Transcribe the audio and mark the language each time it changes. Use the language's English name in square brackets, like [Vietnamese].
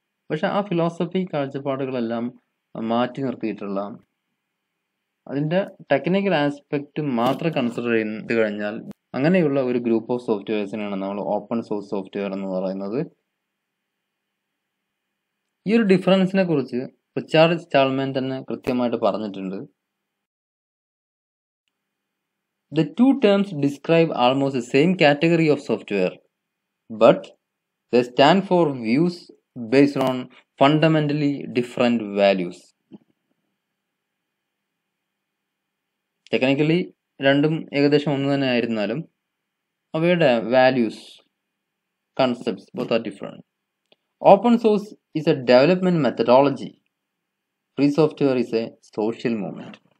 [Malayalam] പക്ഷെ ആ ഫിലോസഫി കാഴ്ചപ്പാടുകളെല്ലാം മാറ്റി നിർത്തിയിട്ടുള്ള അതിൻ്റെ ടെക്നിക്കൽ ആസ്പെക്ട് മാത്രം കൺസിഡർ ചെയ്ത് കഴിഞ്ഞാൽ അങ്ങനെയുള്ള ഒരു ഗ്രൂപ്പ് ഓഫ് സോഫ്റ്റ്വെയർസിനാണ് നമ്മൾ ഓപ്പൺ സോഴ്സ് സോഫ്റ്റ്വെയർ എന്ന് പറയുന്നത്. ഈ ഒരു ഡിഫറൻസിനെ കുറിച്ച് റിച്ചാർഡ് സ്റ്റാൾമാൻ തന്നെ കൃത്യമായിട്ട് പറഞ്ഞിട്ടുണ്ട്. [English] The two terms describe almost the same category of software, but they stand for views based on fundamentally different values. [Malayalam] Technically, രണ്ടും ഏകദേശം ഒന്ന് തന്നെ ആയിരുന്നാലും അവയുടെ values concepts [English] Both are different. Open source is a development methodology, free software is a social movement.